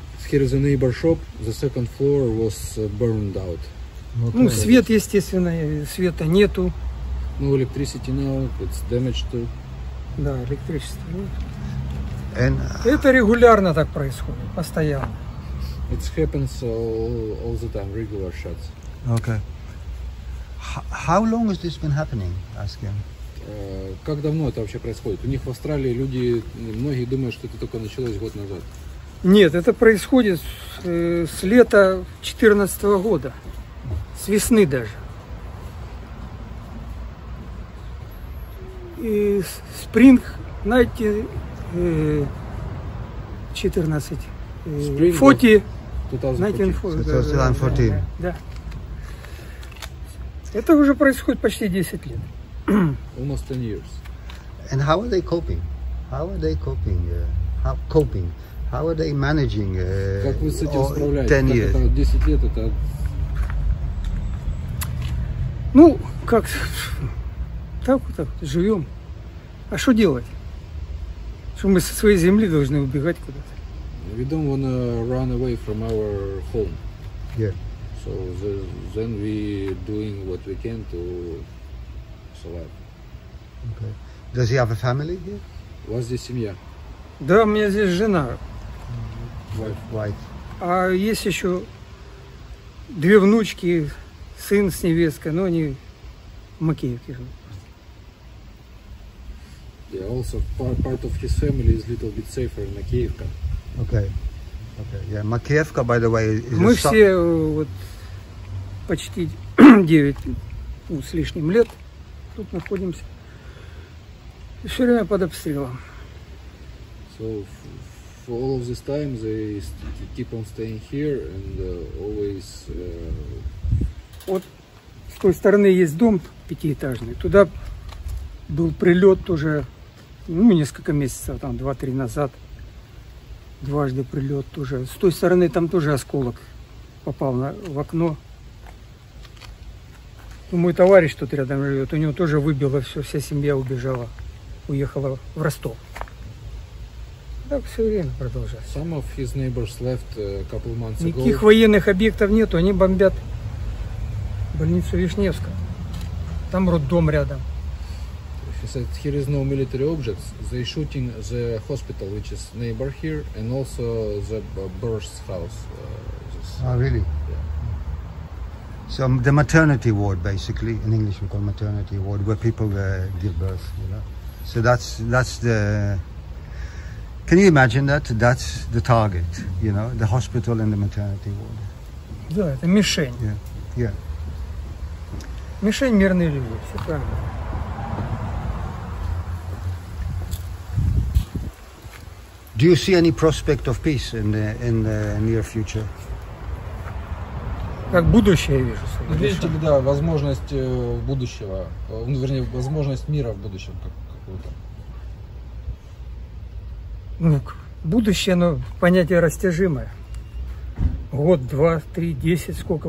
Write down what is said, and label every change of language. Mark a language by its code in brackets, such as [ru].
[en] Here is a neighbor shop. The second floor was burned out. [ru] Ну, свет, естественно, света нету. [en] No electricity now, it's damaged too. [ru] Да, электричество. Это регулярно так происходит, постоянно. [en] It happens all the time, regular shots. Okay. How long has this been happening, ask him? [ru] Как давно это вообще происходит? У них в Австралии люди, многие думают, что это только началось год назад. Нет, это происходит с лета 2014 года, с весны даже. И спринг, знаете, 14, 40, знаете, 2014. Да. Это уже происходит почти 10 лет. [en] Almost 10 years. And how are they coping? How are they coping? How are they managing? [ru] Как вы с этим справляетесь? 10 лет это... Ну, как... Так вот так, живем. А что делать? Что мы со своей земли должны убегать куда-то? [en] We don't want to run away from our home. Yeah. So then we doing what we can to survive. Okay. Does he have a family here? [ru] У вас здесь семья? Да, у меня здесь жена. [en] Wife. [ru] А есть еще две внучки, сын с невесткой, но они в Макеевке живут. [en] Yeah, also part of his family is a little bit safer in Макеевка. Okay. Yeah, Макеевка, by the way, is [ru] мы [en] a [ru] все вот почти 9 с лишним лет тут находимся. Все время под обстрелом. [en] So for all of this time they keep on staying here and always. [ru] Вот с той стороны есть дом пятиэтажный. Туда был прилет уже, ну, несколько месяцев, там 2-3 назад. Дважды прилет тоже. С той стороны там тоже осколок попал в окно. Ну, мой товарищ тут рядом живет, у него тоже выбило все, вся семья убежала. Уехала в Ростов. Так все время продолжается. [en] Some of his neighbors left a couple months ago. [ru] Никаких военных объектов нету, они бомбят больницу Вишневска. Там роддом рядом. [en] He said here is no military objects. They shooting the hospital, which is neighbor here, and also the burst house. Really? So the maternity ward, basically, in English we call maternity ward, where people give birth, you know. So that's the. Can you imagine that? That's the target, you know, the hospital and the maternity ward. [ru] Yeah, это мишень. [en] Yeah. [ru] Мишень мирные люди, все правильно. [en] Do you see any prospect of peace in the near future? [ru] Как будущее вижу. Видите ли, да, возможность будущего, вернее, возможность мира в будущем какого-то. Ну, будущее, оно понятие растяжимое. Год, два, три, десять, сколько.